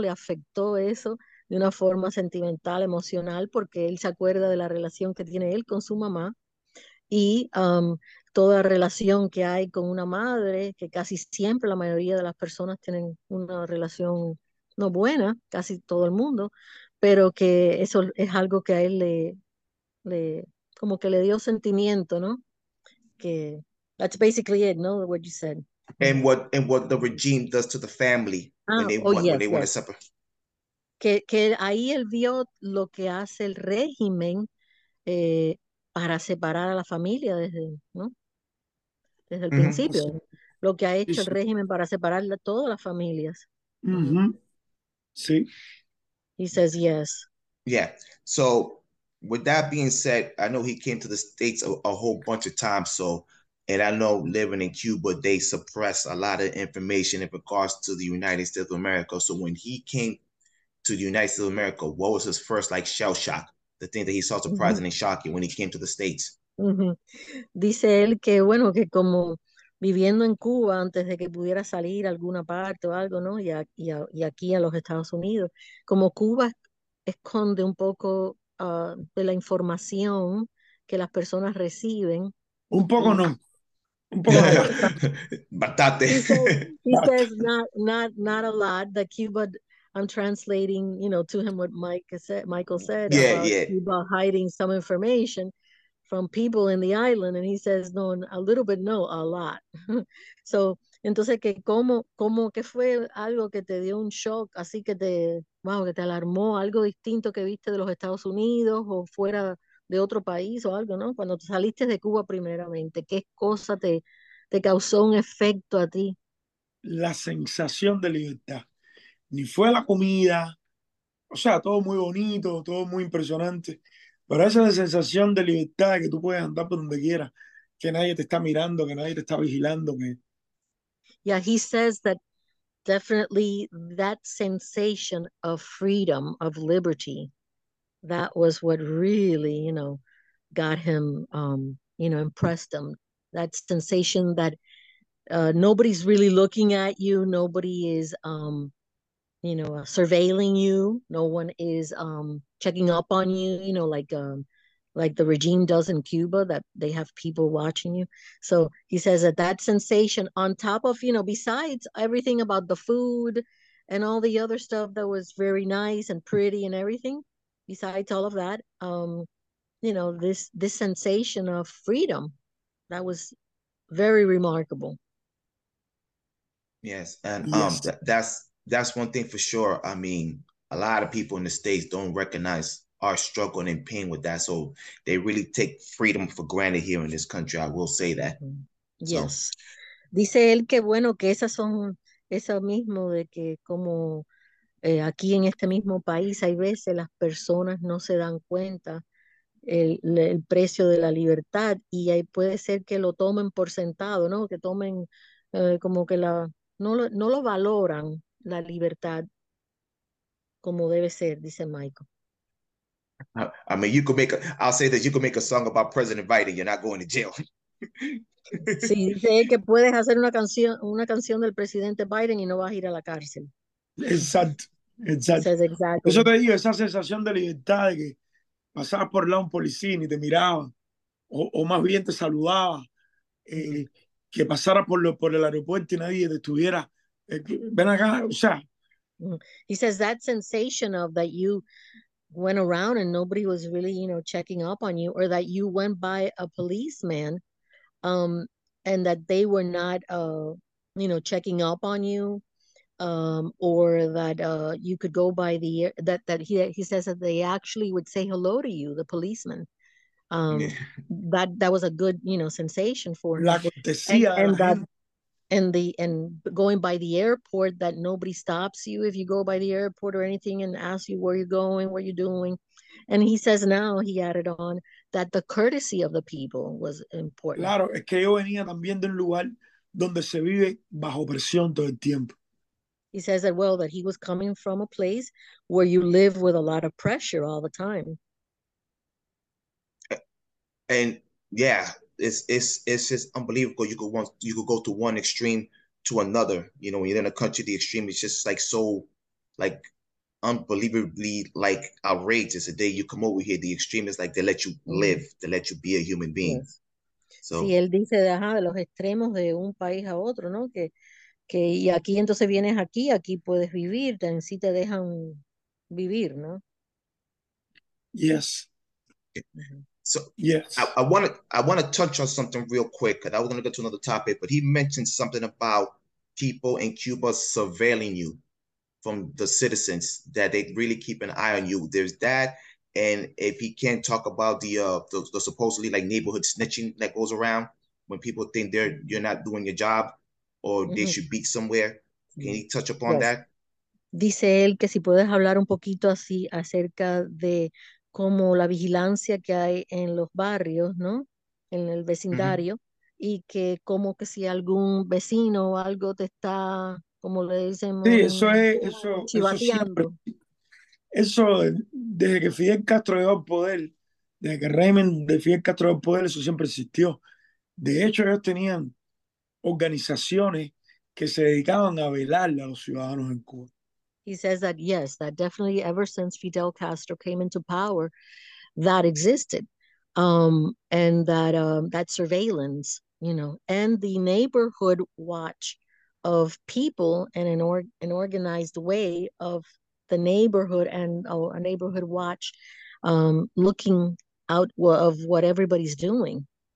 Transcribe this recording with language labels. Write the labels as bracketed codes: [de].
[es] Le afectó eso de una forma sentimental, emocional, porque él se acuerda de la relación que tiene él con su mamá y toda relación que hay con una madre, que casi siempre la mayoría de las personas tienen una relación no buena, casi todo el mundo, pero que eso es algo que a él le como que le dio sentimiento, ¿no? [en] Que that's basically it, ¿no? What you said. And what the regime does to the family when they want to separate. [es] Que ahí él vio lo que hace el régimen para separar a la familia desde, ¿no? Desde el mm-hmm. principio. Lo que ha hecho el régimen para separar a todas las familias. [en] Mm-hmm. See, he says yes. Yeah. So, with that being said, I know he came to the States a whole bunch of times. So, and I know living in Cuba, they suppress a lot of information in regards to the United States of America. So, when he came to the United States of America, what was his first like shell shock? The thing that he saw surprising mm-hmm. and shocking when he came to the States. Mm-hmm. [es] Dice él que bueno que como viviendo en Cuba antes de que pudiera salir a alguna parte o algo, ¿no? Y aquí a los Estados Unidos. Como Cuba esconde un poco de la información que las personas reciben. Un poco no. Un poco no. Bastante. [en] He says not a lot. The Cuba, I'm translating, you know, to him what Michael said about Cuba hiding some information from people in the island, and he says, no, a little bit, no, a lot. [es] So, entonces, que como que fue algo que te dio un shock, así que te, wow, que te alarmó, algo distinto que viste de los Estados Unidos o fuera de otro país o algo, ¿no? Cuando saliste de Cuba primeramente, ¿qué cosa te causó un efecto a ti? La sensación de libertad. Ni fue la comida, o sea, todo muy bonito, todo muy impresionante. Pero esa sensación de libertad, que tú puedes andar por donde quieras, que nadie te está mirando, que nadie te está vigilando. Que... [en] Yeah, he says that definitely that sensation of freedom, of liberty, that was what really, you know, got him, you know, impressed him. That sensation that nobody's really looking at you, nobody is, you know, surveilling you. No one is checking up on you, you know, like the regime does in Cuba, that they have people watching you. So he says that sensation on top of, you know, besides everything about the food and all the other stuff that was very nice and pretty and everything, besides all of that, you know, this sensation of freedom, that was very remarkable. Yes, and that's one thing for sure. I mean, a lot of people in the States don't recognize our struggle and pain with that, so they really take freedom for granted here in this country. I will say that. Mm-hmm. Yes. [es] So, dice él que bueno que esas son eso mismo de que como aquí en este mismo país hay veces las personas no se dan cuenta el precio de la libertad y ahí puede ser que lo tomen por sentado, ¿no? Que tomen como que la no lo valoran la libertad como debe ser, dice Michael. [en] I mean, you could make a, I'll say that you could make a song about President Biden, you're not going to jail. [es] Sí, dice que puedes hacer una canción del presidente Biden y no vas a ir a la cárcel. Exacto. Eso te digo, esa sensación de libertad de que pasabas por lado un policía y te miraban, o más bien te saludaba, que pasara por el aeropuerto y nadie te estuviera, ven acá, o sea. [en] He says that sensation of that you went around and nobody was really, you know, checking up on you, or that you went by a policeman, and that they were not, you know, checking up on you. Or that you could go by the that he says that they actually would say hello to you, the policeman. That was a good, you know, sensation for [es] la cortesía, [en] and going by the airport, that nobody stops you if you go by the airport or anything and ask you where you're going, what you're doing. And he says now, he added on, that the courtesy of the people was important. [es] Claro, es que yo venía también de un lugar donde se vive bajo presión todo el tiempo. [en] He says that, well, that he was coming from a place where you live with a lot of pressure all the time. And yeah, it's just unbelievable. You could go to one extreme to another. You know, when you're in a country, the extreme is just like so, like, unbelievably, like, outrageous. The day you come over here, the extreme is like they let you live, they let you be a human being. Yes. So, [es] sí, él dice de los extremos de un país a otro, ¿no? Que y aquí entonces vienes aquí puedes vivir, en sí te dejan vivir, ¿no? [en] Yes. So yes. I want to touch on something real quick, because I was going to get to another topic, but he mentioned something about people in Cuba surveilling you from the citizens, that they really keep an eye on you. There's that, and if he can't talk about the supposedly like neighborhood snitching that goes around when people think you're not doing your job, or mm-hmm. they should be somewhere. Can he touch upon yes. that? [es] Dice él que si puedes hablar un poquito así acerca de como la vigilancia que hay en los barrios, ¿no? En el vecindario, mm-hmm. y que como que si algún vecino o algo te está, como le dicen, sí, eso es, eso, chivateando. Eso, desde que Fidel Castro llegó al poder, desde que el régimen de Fidel Castro llegó al poder, eso siempre existió. De hecho, ellos tenían organizaciones que se dedicaban a velar a los ciudadanos en Cuba. [en] He says that, yes, that definitely ever since Fidel Castro came into power, that existed. And that that surveillance, you know, and the neighborhood watch of people in an organized way of the neighborhood and a neighborhood watch looking out of what everybody's doing.